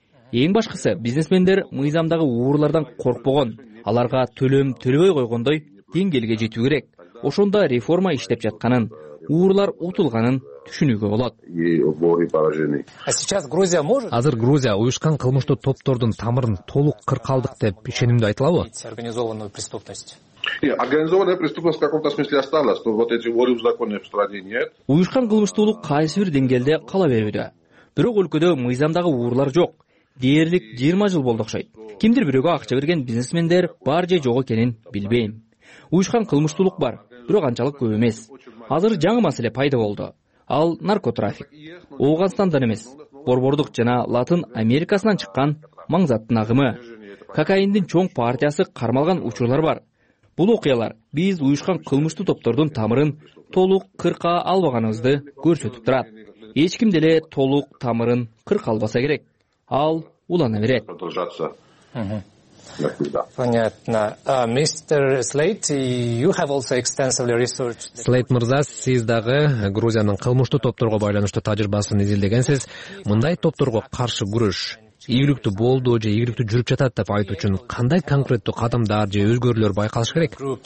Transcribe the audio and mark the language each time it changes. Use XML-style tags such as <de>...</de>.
<ky>Эң башкысы, бизнесмендер мыйзамдагы уурлардан коркпогон, аларга төлөм төлөбөй койгондой деңгээлге жетүү керек. Ошондо реформа иштеп жатканын, уурлар утулганын түшүнүүгө болот. Азыр Грузия уюшкан кылмыштуу топтордун тамырын толук кыркалдык деп ишенимдүү айта алабы?</ky> <ru>Организованную преступность. Нет, организованная преступность в каком-то смысле осталась, но вот эти воры в законе в стране нет.</ru> <ky>Уюшкан кылмыштуулук кайсы бир деңгээлде кала берүүдө. Бирок өлкөдө мыйзамдагы уурлар жок. Дээрлик 20 жыл болду окшойт. Кимдир бирөөгө акча берген бизнесмендер бар же жок экенин билбейм. Уюшкан кылмыштуулук бар, бирок анчалык көп эмес. Азыр жаңы маселе пайда болду. Ал наркотрафик. Ооганстандан эмес, борбордук жана Латын Америкасынан чыккан маңзаттын агымы. Кокаиндин чоң партиясы кармалган учурлар бар. Бул окуялар биз уюшкан кылмыштуу топтордун тамырын толук кырка албаганыбызды көрсөтүп турат. Эч ким деле толук тамырын кырка албаса керек. Ал улана берет. Понятно.</ky> <en>Мистер Слейт, you have also extensively researched...</en> <ky>Слейт мырза, сиз дагы Грузиянын кылмыштуу топторго байланыштуу тажрыйбасын изилдегенсиз. Мындай топторго каршы күрөш ийгиликтүү болду же ийгиликтүү жүрүп жатат деп айтуу үчүн кандай конкреттүү кадамдар же өзгөрүүлөр байкалыш керек?</ky>